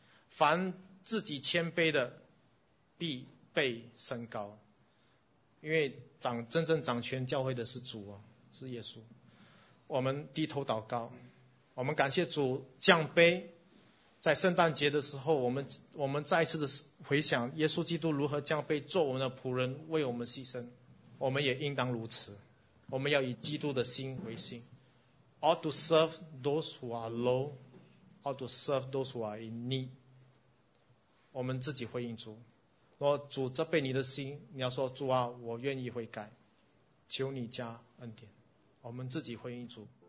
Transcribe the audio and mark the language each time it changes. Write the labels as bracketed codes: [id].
[zh] 凡自己谦卑的必被升高，因为真正掌权教会的是主，是耶稣。我们低头祷告，我们感谢主降杯，在圣诞节的时候，我们再一次的回想耶稣基督如何降杯做我们的仆人，为我们牺牲，我们也应当如此。我们要以基督的心为心， [en] ought to serve those who are low, ought to serve those who are in need。 [zh] 我们自己回应主，若主责备你的心，你要说主啊，我愿意悔改，求你加恩典。我们自己回应主。